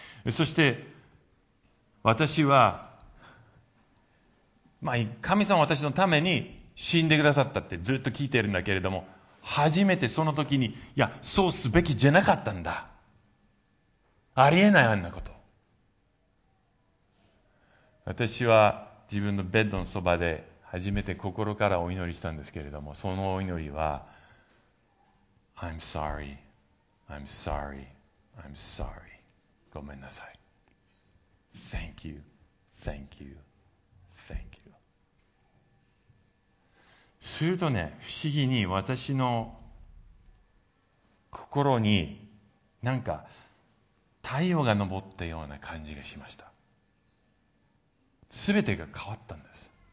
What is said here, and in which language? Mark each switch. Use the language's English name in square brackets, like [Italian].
[Japanese] そして私は、神様は私のために死んでくださったってずっと聞いているんだけれども、初めてその時に、いや、そうすべきじゃなかったんだ。ありえないあんなこと。私は自分のベッドのそばで初めて心からお祈りしたんですけれども、そのお祈りは、 [English] I'm sorry, I'm sorry, I'm sorry. [Japanese] ごめんなさい。 [English] Thank you, thank you, thank you. [Japanese] するとね、不思議に私の心に何か太陽が昇ったような感じがしました。全てが変わったんです。